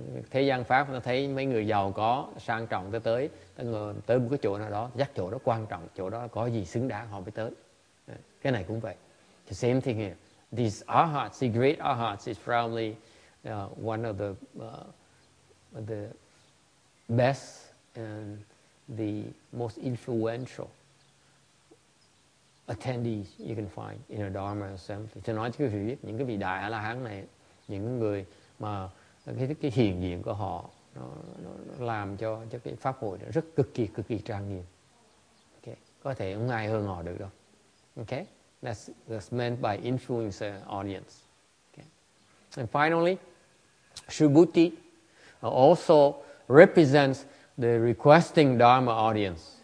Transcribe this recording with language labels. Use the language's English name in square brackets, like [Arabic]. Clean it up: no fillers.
[Vietnamese] Thế gian pháp, nó thấy mấy người giàu có sang trọng tới một cái chỗ nào đó, dắt chỗ đó quan trọng, chỗ đó có gì xứng đáng họ mới tới. Cái này cũng vậy. [English] The same thing here. These arhats, the great arhats, is probably one of the best and the most influential attendees you can find in a Dharma assembly. [Vietnamese] Cho nói cho quý vị biết, những cái vị đại A-la-hán này, những người mà cái hiện diện của họ nó làm cho cái pháp hội nó rất cực kỳ trang nghiêm. Okay. Có thể không ai hơn họ được đâu. [English] Okay. That's meant by influence audience. Okay. And finally, Subhuti also represents the requesting Dharma audience.